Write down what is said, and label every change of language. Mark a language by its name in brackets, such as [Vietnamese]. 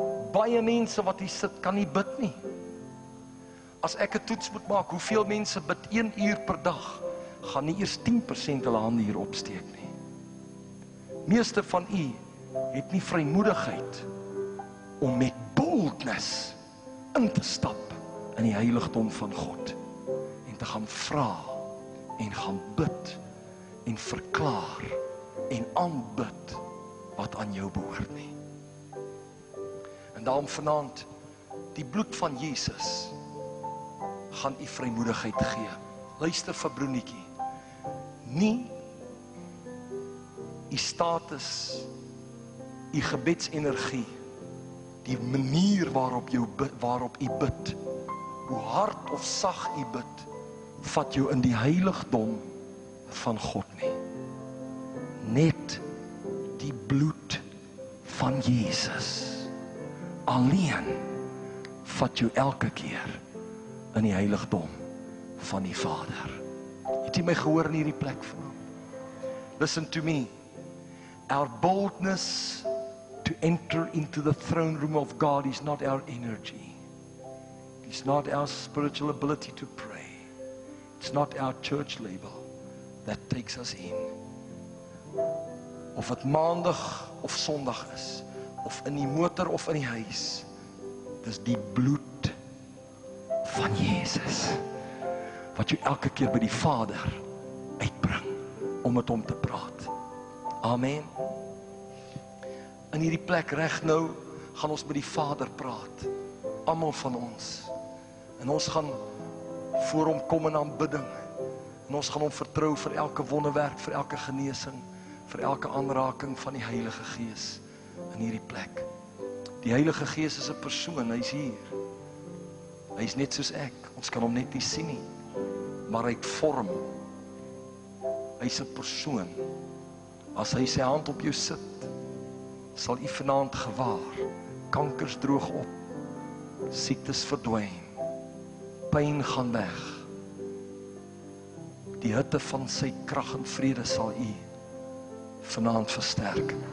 [Afrikaans] Baie mense wat hier sit kan nie bid nie. As ek 'n toets moet maak, hoeveel mense bid 1 uur per dag? Gaan nie eers 10% hulle hande hier opsteek nie. Meeste van u het nie vrymoedigheid om met boldness in te stap in die heiligdom van God en te gaan vra en gaan bid en verklaar en aanbid wat aan jou behoort nie. En daarom vanaand, die bloed van Jesus gaan u vrymoedigheid gee. Luister vir broenietjie. Nie u status, u gebedsenergie, die manier waarop u bid, hoe hard of sag u bid, vat jou in die heiligdom van God nie. Net die bloed van Jesus alleen vat jou elke keer in die heiligdom van die Vader. Het jy my gehoor in hierdie plek van? [English] Listen to me. Our boldness to enter into the throne room of God is not our energy. It's not our spiritual ability to pray. It's not our church label that takes us in. [Afrikaans] Of het maandag of sondag is, of in die motor of in die huis, dis die bloed van Jesus wat jy elke keer by die Vader uitbring. om met hom te praat. Amen. In hierdie plek recht nou, gaan ons met die Vader praat. Allemaal van ons. En ons gaan voor hom kom in aanbidding. En ons gaan hom vertrouw vir elke wonderwerk, vir elke geneesing, vir elke aanraking van die Heilige Gees in hierdie plek. Die Heilige Gees is een persoon, hy is hier. Hy is net soos ek, ons kan hom net nie sien nie. Maar hy het vorm. Hy is een persoon. As hy sy hand op jou sit, sal jy vanavond gewaar. Kankers droog op, siektes verdwijn, pijn gaan weg. Die hitte van sy kracht en vrede sal jy vanavond versterk.